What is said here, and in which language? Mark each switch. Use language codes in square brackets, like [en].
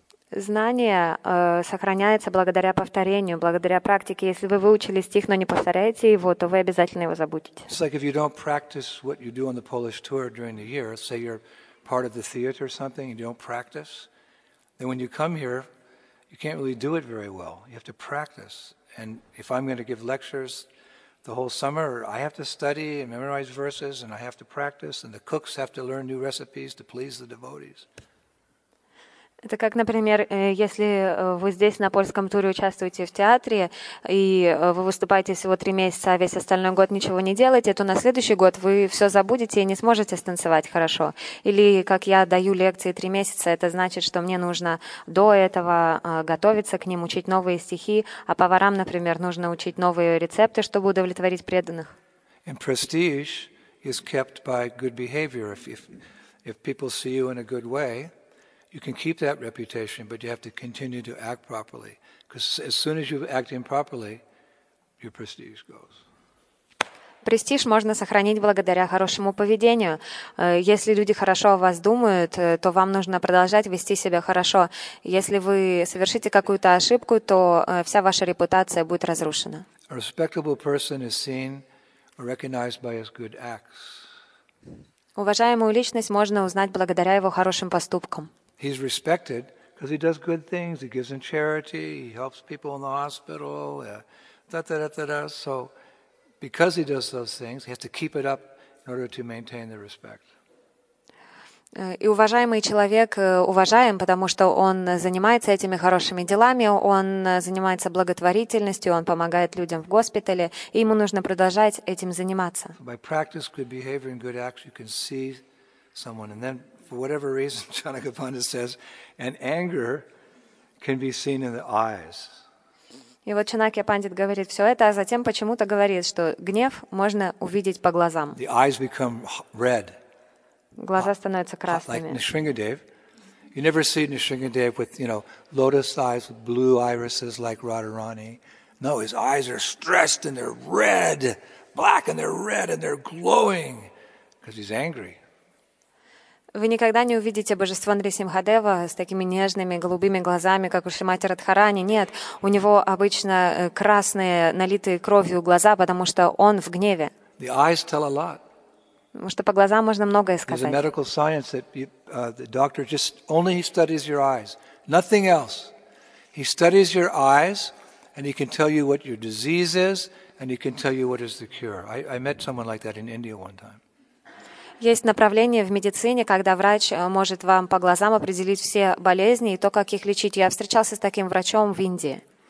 [ru] Знание сохраняется благодаря повторению, благодаря практике. Если вы выучили стих, но не повторяете его, то вы обязательно его забудете. [en] It's like if you don't practice what you do on the Polish tour during the year, say you're part of the theater or something, and you don't practice, then when you come here, you can't really do it very well. You have to practice. And if I'm going to give lectures the whole summer, I have to study and memorize verses, and I have to practice, and the cooks have to learn new recipes to please the devotees. [ru] Это как, например, если вы здесь на польском туре участвуете в театре, и вы выступаете всего 3 месяца, а весь остальной год ничего не делаете, то на следующий год вы все забудете и не сможете станцевать хорошо. Или как я даю лекции 3 месяца, это значит, что мне нужно до этого готовиться к ним, учить новые стихи, а поварам, например, нужно учить новые рецепты, чтобы удовлетворить преданных. [en] And prestige is kept by good behavior. If people see you in a good way, you can keep that reputation, but you have to continue to act properly. Because as soon as you act improperly, your prestige goes. [ru] Престиж можно сохранить благодаря хорошему поведению. Если люди хорошо о вас думают, то вам нужно продолжать вести себя хорошо. Если вы совершите какую-то ошибку, то вся ваша репутация будет разрушена. [en] A respectable person is seen or recognized by his good acts. [ru] Уважаемую личность можно узнать благодаря его хорошим поступкам. [en] He's respected because he does good things. He gives in charity. He helps people in the hospital. So because he does those things, he has to keep it up in order to maintain the respect. [ru] И уважаемый человек уважаем, потому что он занимается этими хорошими делами, он занимается благотворительностью, он помогает людям в госпитале, и ему нужно продолжать этим заниматься. [en] By practice, good behavior and good acts, you can see someone. And then, for whatever reason, Chanakapanda says, an anger can be seen in the eyes. [ru] И вот Чанакья Пандит говорит все это, а затем почему-то говорит, что гнев можно увидеть по глазам. [en] The eyes become red. [ru] Глаза становятся красными. [en] Like Nisringadev. You never see Nisringadev with, you know, lotus eyes with blue irises like Radharani. No, his eyes are stressed and they're red, black and they're red and they're glowing because he's angry. [ru] Вы никогда не увидите божество Нрисимхадева с такими нежными голубыми глазами, как у Шримати Радхарани. Нет, у него обычно красные, налитые кровью глаза, потому что он в гневе. [en] The eyes tell a lot. [ru] Потому что по глазам можно многое сказать. [en] There's a medical science that the doctor just only studies your eyes, nothing else. He studies your eyes, and he can tell you what your disease is, and he can tell you what is the cure. I met someone like that in India one time. [ru] Есть направление в медицине, когда врач может вам по глазам определить все болезни и то, как их лечить. Я встречался с таким врачом в Индии.